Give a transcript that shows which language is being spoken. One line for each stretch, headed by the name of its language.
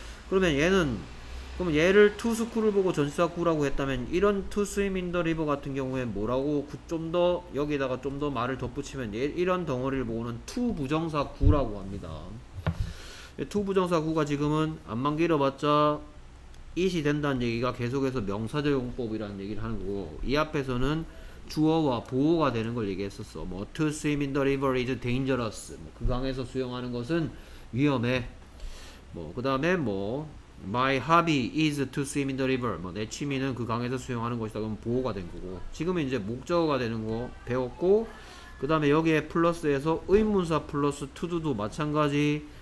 Korean: 그러면 얘는 그럼 얘를 to school 을 보고 전치사 구라고 했다면 이런 to swim in the river 같은 경우에 뭐라고 좀더 여기다가 좀더 말을 덧붙이면 이런 덩어리를 보고는 to 부정사 구라고 합니다. to 부정사 구가 지금은 암만 길어봤자 is이 된다는 얘기가 계속해서 명사적용법이라는 얘기를 하는 거고 이 앞에서는 주어와 보호가 되는 걸 얘기했었어.
English: 뭐 to swim in the river is dangerous.
Korean: 뭐, 그 강에서 수영하는 것은 위험해.
English: 뭐그 다음에 뭐 My hobby is to swim in the river.
Korean: 뭐내 취미는 그 강에서 수영하는 것이다. 그럼 보호가 된 거고. 지금은 이제 목적어가 되는 거 배웠고, 그 다음에 여기에 플러스해서 의문사 플러스 to do도 마찬가지.